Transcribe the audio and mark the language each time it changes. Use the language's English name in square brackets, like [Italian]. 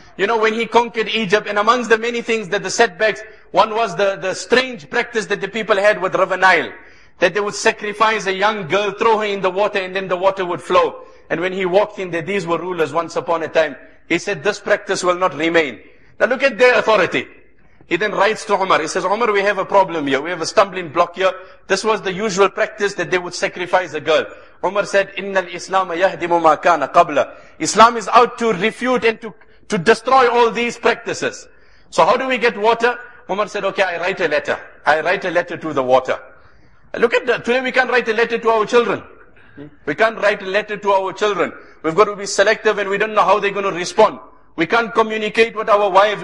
[English] You know, when he conquered Egypt, and amongst the many things that the setbacks, one was the strange practice that the people had with River Nile, that they would sacrifice a young girl, throw her in the water, and then the water would flow. And when he walked in there, these were rulers once upon a time. He said, this practice will not remain. Now look at their authority. He then writes to Umar. He says, Umar, we have a problem here. We have a stumbling block here. This was the usual practice that they would sacrifice a girl. Umar said, [Arabic] إِنَّ الْإِسْلَامَ يَهْدِمُ مَا كَانَ قَبْلَ. [English] Islam is out to refute and to destroy all these practices. So how do we get water? Umar said, okay, I write a letter. I write a letter to the water. Look at that. Today we can't write a letter to our children. We can't write a letter to our children. We've got to be selective and we don't know how they're going to respond. We can't communicate with our wives.